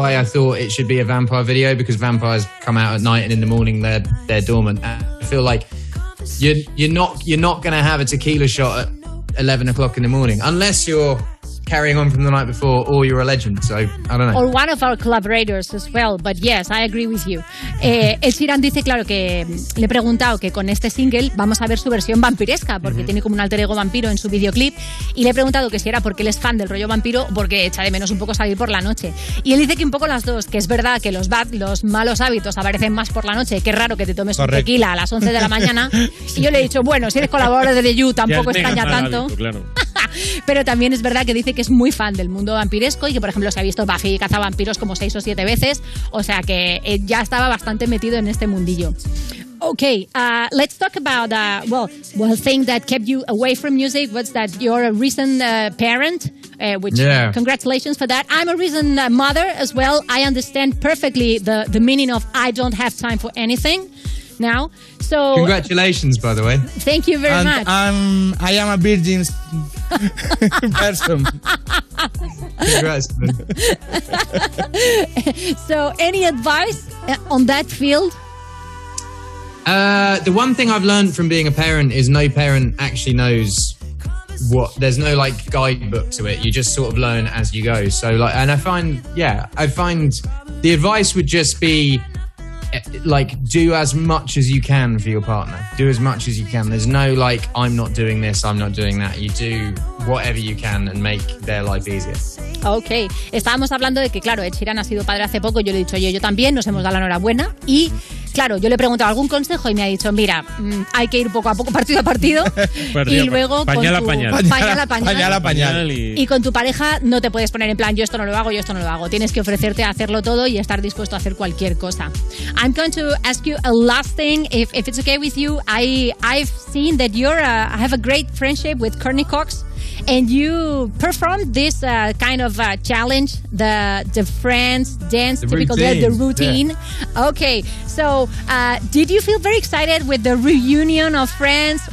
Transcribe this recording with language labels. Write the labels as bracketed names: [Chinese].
[English] why I thought it should be a vampire video, because vampires come out at night and in the morning they're dormant. I feel like you're not gonna have a tequila shot at 11 o'clock in the morning unless you're carrying on from the night before, or you're a legend, so I don't know. Or one of our collaborators as well, but yes, I agree with you. [Spanish] Ed Sheeran dice, claro, que le he preguntado que con este single vamos a ver su versión vampiresca, porque mm-hmm. tiene como un alter ego vampiro en su videoclip, y le he preguntado que si era porque él es fan del rollo vampiro, porque echa de menos un poco salir por la noche. Y él dice que un poco las dos, que es verdad que los malos hábitos aparecen más por la noche, que raro que te tomes un tequila a las 11 de la mañana. Sí. Y yo le he dicho, bueno, si eres colaborador de The You, tampoco ya extraña tanto. Hábito, claro. Pero también es verdad que dice que es muy fan del mundo vampiresco y que, por ejemplo, se ha visto Buffy caza vampiros como 6 o 7 veces. O sea, que ya estaba bastante metido en este mundillo. [English] Okay, let's talk about one thing that kept you away from music was that you're a recent parent, which, yeah. Congratulations for that. I'm a recent mother as well. I understand perfectly the meaning of I don't have time for anything now. So congratulations, by the way. Thank you very much. I am a virgin person. Congrats. So any advice on that field? The one thing I've learned from being a parent is no parent actually knows what, there's no like guidebook to it. You just sort of learn as you go. So like, and I find the advice would just be, like, do as much as you can for your partner. Do as much as you can. There's no like, I'm not doing this, I'm not doing that. You do whatever you can and make their life easier. Okay. [Spanish] Estábamos hablando de que, claro, Ed Sheeran ha sido padre hace poco. Yo le he dicho, yo también, nos hemos dado la enhorabuena. Y, claro, yo le he preguntado algún consejo y me ha dicho, mira, hay que ir poco a poco, partido a partido. Y luego pañal a pañal. Y con tu pareja no te puedes poner en plan, yo esto no lo hago, yo esto no lo hago. Tienes que ofrecerte a hacerlo todo y estar dispuesto a hacer cualquier cosa. [English] I'm going to ask you a last thing. If it's okay with you, I've seen that I have a great friendship with Courtney Cox. And you performed this kind of challenge, the friends dance, the routine. Yeah. Okay, so did you feel very excited with the reunion of friends?